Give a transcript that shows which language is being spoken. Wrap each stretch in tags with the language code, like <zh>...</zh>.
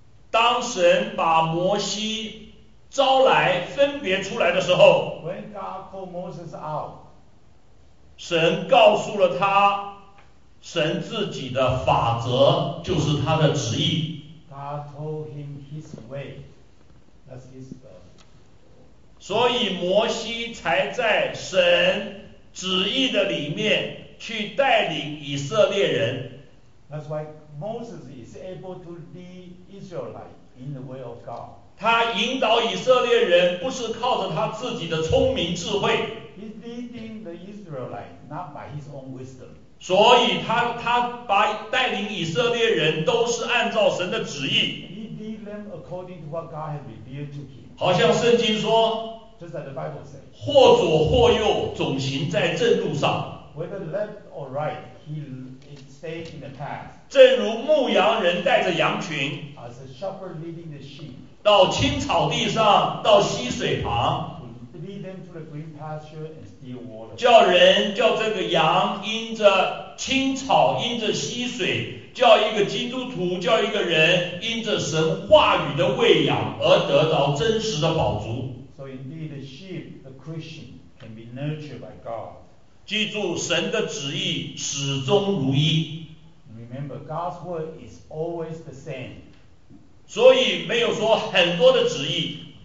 <zh>当神把摩西招来分别出来的时候</zh> <en>when God called Moses out,</en> <zh>神告诉了他神自己的法则就是他的旨意</zh> <en>God told him his way That's his word</en> <zh>所以摩西才在神旨意的里面去带领以色列人</zh> <en>That's why Moses is able to lead Israelite in the way of God</en> <zh>他引导以色列人不是靠着他自己的聪明智慧</zh> <en>He's leading the Israelite, not by his own wisdom.</en> <zh>所以他把带领以色列人都是按照神的旨意。</zh> <en>He lead them according to what God has revealed to him.</en> <zh>好像圣经说</zh> <en>Just Just like the Bible says.</en> <zh>或左或右，总行在正路上。</zh> <en>Whether left or right, he stayed in the path.</en> <zh>正如牧羊人带着羊群。</zh> <en>As a shepherd leading the sheep.</en> <zh>到青草地上，到溪水旁。</zh> <en>Lead them to the green pasture and still water.</en> <zh>叫这个羊因着青草，因着溪水。叫一个基督徒，叫一个人，因着神话语的喂养而得到真实的饱足。</zh> <en>So indeed, the sheep, the Christian, can be nurtured by God.</en> <zh>记住，神的旨意始终如一。</zh> <en>Remember, God's word is always the same.</en> <zh>所以没有说很多的旨意。</zh>